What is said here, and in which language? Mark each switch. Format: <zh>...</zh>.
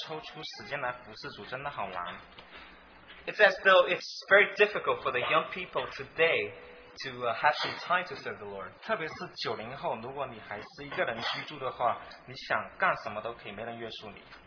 <zh>是叫现阶段的年轻人抽出时间来服侍主，真的好难。</zh> <en>It's as though it's very difficult for the young people today to have some time to serve the Lord.</en> <zh>特别是90后，如果你还是一个人居住的话，你想干什么都可以，没人约束你。</zh>